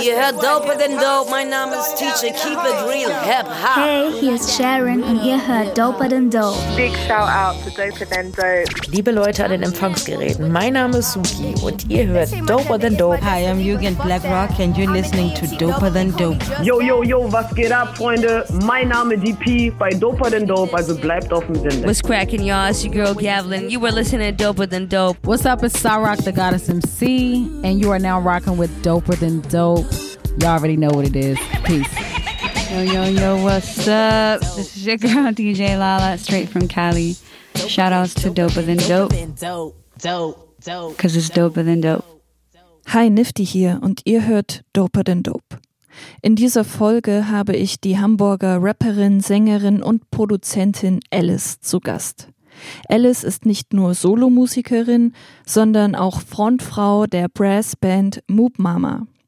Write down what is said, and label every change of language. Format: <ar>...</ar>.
<en>You heard Doper Than Dope. My name is Teacher. Keep it real, hip hop. Hey, here's Sharon, and you heard Doper Than Dope. Big shout out to Doper Than Dope.</en> <de>Liebe Leute an den Empfangsgeräten,</de> <en>my name is Suki, and you heard Doper Than Dope. Hi, I'm Jürgen Blackrock, and you're listening to Doper Than Dope.</en> <de>Yo, yo, yo, was geht ab, Freunde?</de> <en>My name is DP by Doper Than Dope,</en> <de>also bleibt auf dem Sender.</de> <en>What's cracking, y'all? It's your girl, Gavlin. You were listening to Doper Than Dope. What's up? It's Cyrock, the Goddess MC, and you are now rocking with Doper Than Dope. Y'all already know what it is. Peace. Yo, yo, yo, what's up? This is your girl, DJ Lala, straight from Cali. Shout outs to Doper Than Dope. Dope, dope. Because it's Doper Than Dope.</en> <de>Hi, Nifty hier, und ihr hört Doper Than Dope. In dieser Folge habe ich die Hamburger Rapperin, Sängerin und Produzentin Alice zu Gast. Alice ist nicht nur Solomusikerin, sondern auch Frontfrau der Brassband Moop Mama.</de>